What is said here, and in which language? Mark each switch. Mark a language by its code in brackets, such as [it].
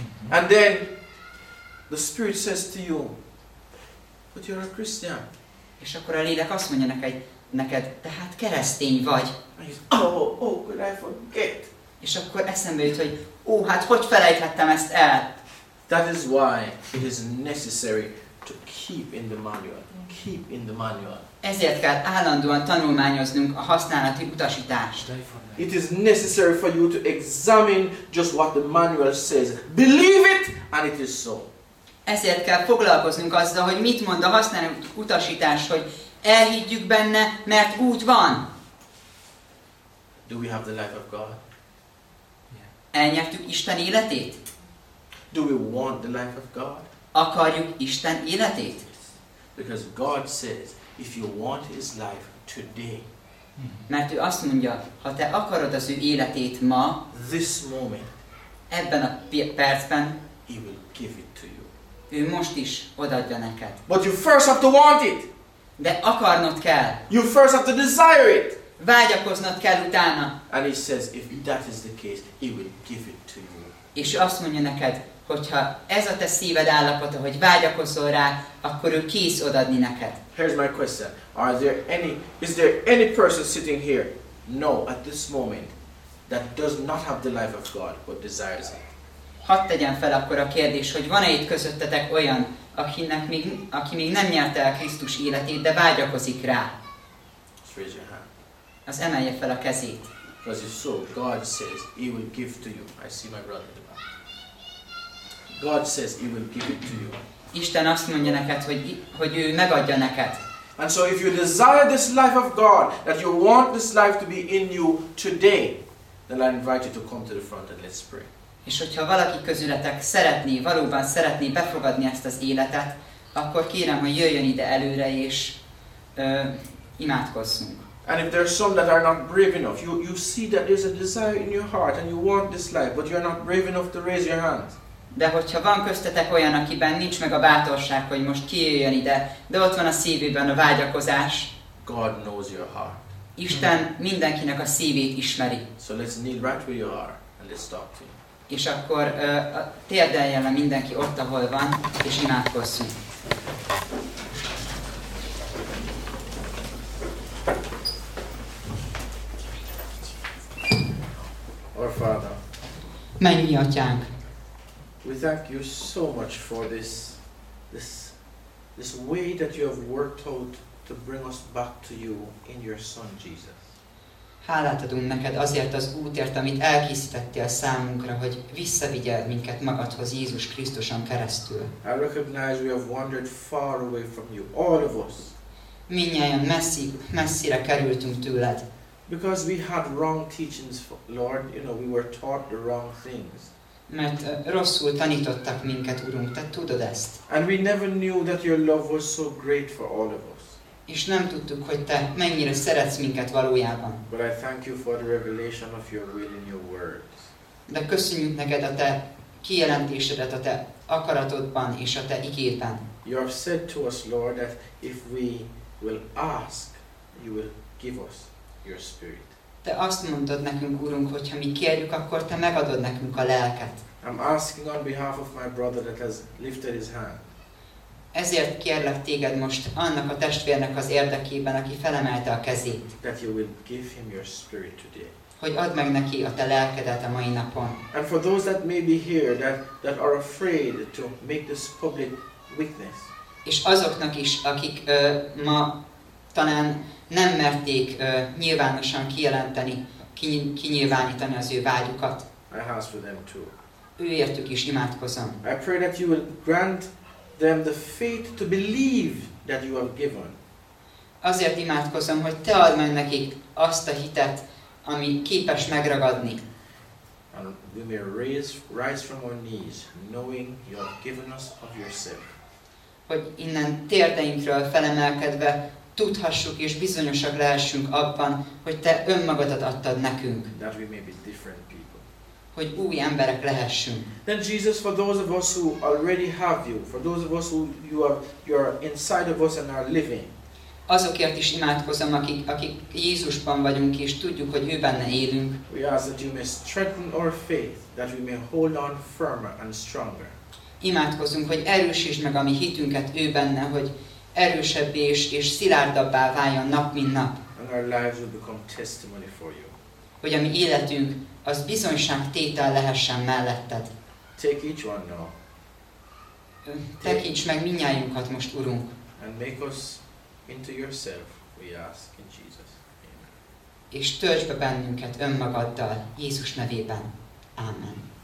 [en] And then the Spirit says to you, but you're a Christian. [hu] És akkor a lélek azt mondja neked, tehát keresztény vagy. [en] Oh, could I forget? [hu] És akkor eszembe jut, hogy hogy felejthettem ezt el? [en] That is why it is necessary to keep in the manual. Keep in the manual. [hu] Ezért kell állandóan tanulmányoznunk a használati utasítást. [en] It is necessary for you to examine just what the manual says. Believe it, and it is so. [hu] Ezért kell foglalkoznunk azzal, hogy mit mond a használati utasítás, hogy elhiggyük benne, mert úgy van. [en] Do we have the life of God? Yeah. [hu] Elnyertük Isten életét? [en] Do we want the life of God? [hu] Akarjuk Isten életét? [en] Because God says, if you want His life today, [hu] mert ő azt mondja, ha te akarod az ő életét ma, [en] this moment, [hu] ebben a percben, [en] He will give it to you. [hu] Ő most is odaadja neked. [en] But you first have to want it. [hu] De akarnod kell. [en] You first have to desire it. [hu] Vágyakoznod kell utána. [en] And He says, if that is the case, He will give it to you. [hu] És azt mondja neked, hogyha ez a te szíved állapota, hogy vágyakozol rá, akkor ő kész odaadni neked. [en] Here's my question. Is there any person sitting here, no, at this moment, that does not have the life of God, but desires it? [hu] Hadd tegyen fel akkor a kérdés, hogy van-e itt közöttetek olyan, aki még nem nyerte el Krisztus életét, de vágyakozik rá? [en] Just raise your hand. [hu] Az emelje fel a kezét. [en] Because if so, God says, He will give to you. I see my brother. God says, He will give it to you. [hu] Isten azt mondja neked, hogy ő megadja neked. [en] And so if you desire this life of God, that you want this life to be in you today, then I invite you to come to the front and let's pray. [hu] És hogyha valaki közületek szeretné, valóban szeretné befogadni ezt az életet, akkor kérem, hogy jöjjön ide előre és imádkozzunk. [en] And if there are some that are not brave enough, you see that there's a desire in your heart and you want this life, but you're not brave enough to raise your hand. [hu] De hogyha van köztetek olyan, akiben nincs meg a bátorság, hogy most kijöjjön ide, de ott van a szívében a vágyakozás. [en] God knows your heart. [hu] Isten mindenkinek a szívét ismeri. [en] So let's kneel right where you are and let's talk to him. [hu] És akkor térdeljen le mindenki ott, ahol van, és imádkozzunk. [en] Our Father. [hu] Mennyi atyánk. [en] We thank you so much for this way that you have worked out to bring us back to you in your Son Jesus. [hu] Hálát adunk neked azért az útért, amit elkészítettél számunkra, hogy visszavigyeld minket magadhoz Jézus Krisztuson keresztül. [en] I recognize we have wandered far away from you, all of us. [hu] Minnyáján messzire kerültünk tőled. [en] Because we had wrong teachings, Lord, you know, we were taught the wrong things. [hu] Mert rosszul tanítottak minket, Urunk, te tudod ezt. [en] And we never knew that your love was so great for all of us. [hu] És nem tudtuk, hogy te mennyire szeretsz minket valójában. [en] But I thank you for the revelation of your will in your words. [hu] De köszönjük neked a te kijelentésedet a te akaratodban és a te igédben. [en] You have said to us, Lord, that if we will ask, you will give us your spirit. [hu] Te azt mondtad nekünk, Úrunk, hogyha mi kérjük, akkor te megadod nekünk a lelket. [en] I'm asking on behalf of my brother that has lifted his hand. [hu] Ezért kérlek téged most annak a testvérnek az érdekében, aki felemelte a kezét. [en] That you will give him your spirit today. [hu] Hogy add meg neki a te lelkedet a mai napon. [en] And for those that may be here that are afraid to make this public witness. [hu] És azoknak is, akik ma talán nem merték nyilvánosan kijelenteni, kinyilvánítani az ő vágyukat. [en] I ask for them too. [hu] Őértük is imádkozom. [en] I pray that you will grant them the faith to believe that you have given. [hu] Azért imádkozom, hogy te add meg nekik azt a hitet, ami képes megragadni. [en] And we may rise from our knees, knowing you have given us of yourself. [hu] Hogy innen térdeinkről felemelkedve tudhassuk és bizonyosak lehessünk abban, hogy te önmagadat adtad nekünk. [en] That we may be different people. [hu] Hogy új emberek lehessünk. [en] Then Jesus, for those of us who already have you, for those of us who you are inside of us and are living. [hu] Azokért is imádkozom, akik Jézusban vagyunk és tudjuk, hogy ő benne élünk. [en] We ask that you may strengthen our faith, that we may hold on firmer and stronger. [hu] Imádkozunk, hogy erősítsd meg a mi hitünket ő benne, hogy erősebbé és szilárdabbá váljon nap, mint nap. [en] And our lives will become testimony for you. [hu] Hogy a mi életünk az bizonyság tétel lehessen melletted. [en] Take each one now. [hu] Tekints meg mindnyájunkat most, Urunk. [en] And make us into yourself, we ask in Jesus. Amen. [hu] És töltsd be bennünket önmagaddal, Jézus nevében. Amen.